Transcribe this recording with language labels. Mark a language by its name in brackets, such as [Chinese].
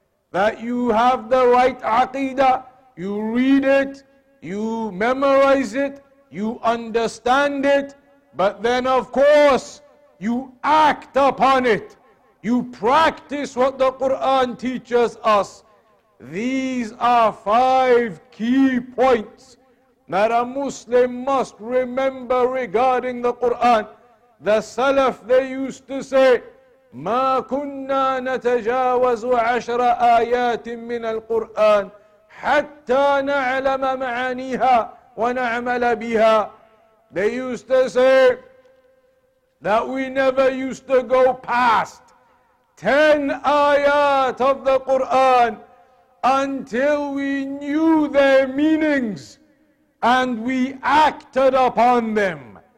[English] That you have the right aqidah, you read it, you memorize it, you understand it, but then of course you act upon it. You practice what the Quran teaches us. These are five key points that a Muslim must remember regarding the Quran. The Salaf, they used to say, [Arabic] ما كنا نتجاوز عشر آيات من القرآن حتى نعلم معانيها ونعمل بها. [English] They used to say that we never used to go past 10 ayat of the Quran until we knew their meanings and we acted upon them.